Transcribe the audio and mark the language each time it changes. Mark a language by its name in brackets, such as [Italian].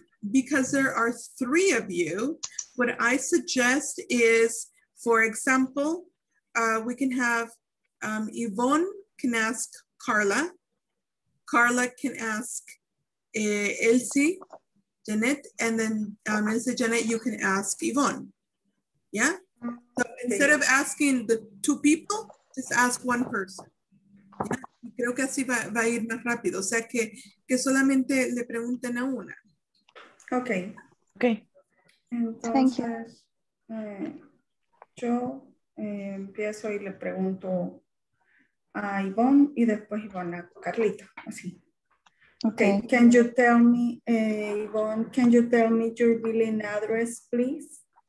[English] Because there are three of you, what I suggest is, for example, we can have Yvonne can ask Carla. Carla can ask Elsie. Janet, and then Mr. Janet, you can ask Yvonne. Yeah? So instead of asking the two people, just ask one person. Yeah? [Spanish] Creo que así va a ir más rápido. O sea, que solamente le pregunten a una. [English] Okay. Okay. [Spanish] Entonces, [English] thank you. [Spanish] Yo empiezo y le pregunto a Yvonne y después Yvonne a Carlita, así. [English] Okay. Can you tell me, Yvonne, can you tell me your billing address, please?